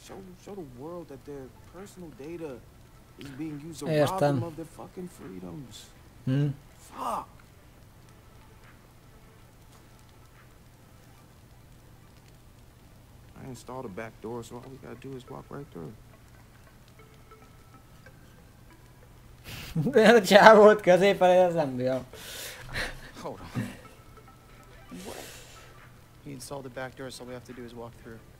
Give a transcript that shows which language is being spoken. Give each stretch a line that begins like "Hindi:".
English: Show the world that their personal data is being used to rob them of their fucking freedoms. Fuck. I installed a back door, so all we gotta do is walk right through.
Hungarian: Ez a csávót középen érzem, jó.
English: Hold on. What? He installed the back door, so all we have to do is walk through.